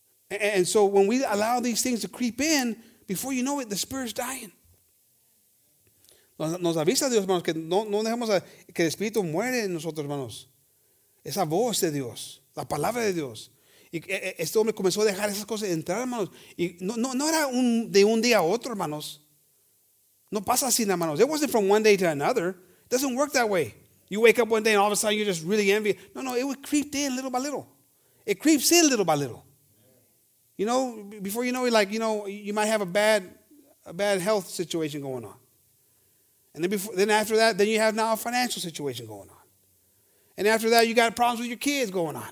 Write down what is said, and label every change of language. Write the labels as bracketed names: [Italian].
[English] And so when we allow these things to creep in, before you know it, the spirit's dying. [Spanish] Nos avisa Dios, hermanos, que no dejemos que el espíritu muere en nosotros, hermanos. Esa voz de Dios, la palabra de Dios. Y este hombre comenzó a dejar esas cosas entrar, hermanos. Y no era de un día a otro, hermanos. No pasa así, hermanos. [English] It wasn't from one day to another. It doesn't work that way. You wake up one day and all of a sudden you're just really envy. No, no, it would creep in little by little. It creeps in little by little. You know, before you know it, like, you know, you might have a bad health situation going on. And then after that, you have now a financial situation going on. And after that, you got problems with your kids going on.